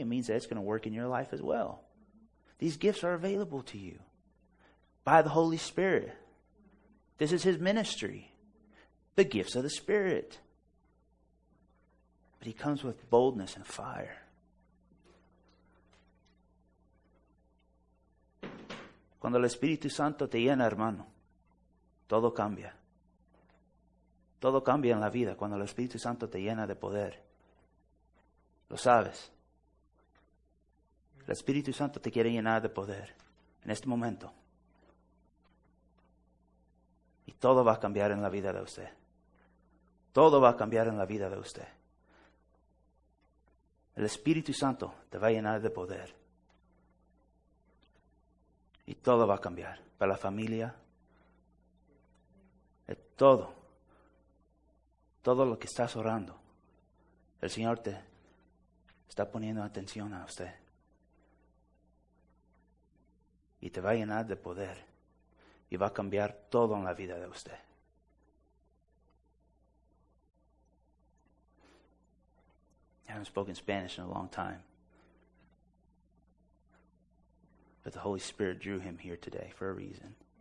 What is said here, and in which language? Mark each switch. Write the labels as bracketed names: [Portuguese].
[English] It means that it's going to work in your life as well. These gifts are available to you. By the Holy Spirit. This is his ministry. The gifts of the Spirit. But he comes with boldness and fire. [Spanish] Cuando el Espíritu Santo te llena, hermano, todo cambia. Todo cambia en la vida cuando el Espíritu Santo te llena de poder. Lo sabes. El Espíritu Santo te quiere llenar de poder en este momento. Y todo va a cambiar en la vida de usted. Todo va a cambiar en la vida de usted. El Espíritu Santo te va a llenar de poder. Y todo va a cambiar. Para la familia. Todo. Todo lo que estás orando. El Señor te está poniendo atención a usted. Y te va a llenar de poder. Y va a cambiar todo en la vida de usted. [English] I haven't spoken Spanish in a long time. But the Holy Spirit drew him here today for a reason.